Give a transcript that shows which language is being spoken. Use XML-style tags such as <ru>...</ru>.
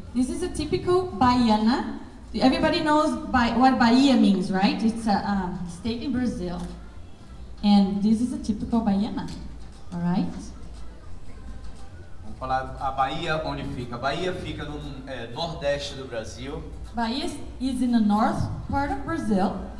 <en>This is a typical baiana. Everybody knows what Bahia means, right? It's a state in Brazil. And this is a typical baiana. Alright?</en> <pt>Vamos falar a Bahia, onde fica. A Bahia fica no nordeste do Brasil.</pt> <en>Bahia is in the north part of Brazil.</en>